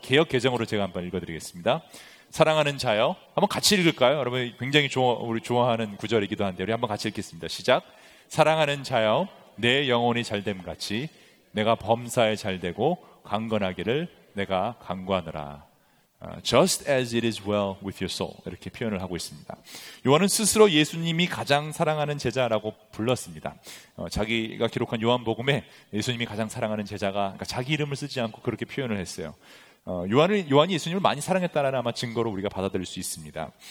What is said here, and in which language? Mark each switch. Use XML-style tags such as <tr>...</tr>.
<ko>개역 개정으로 제가 한번 읽어드리겠습니다. 사랑하는 자여, 한번 같이 읽을까요? 여러분이 굉장히 우리 좋아하는 구절이기도 한데 우리 한번 같이 읽겠습니다. 시작. 사랑하는 자여, 내 영혼이 잘됨 같이 내가 범사에 잘되고 강건하기를 내가 간구하느라.</ko> <en>Just as it is well with your soul.</en> <ko>이렇게 표현을 하고 있습니다. 요한은 스스로 예수님이 가장 사랑하는 제자라고 불렀습니다. 자기가 기록한 요한복음에 예수님이 가장 사랑하는 제자가 그러니까 자기 이름을 쓰지 않고 그렇게 표현을 했어요. 요한이 예수님을 많이 사랑했다는 아마 증거로 우리가 받아들일 수 있습니다.</ko>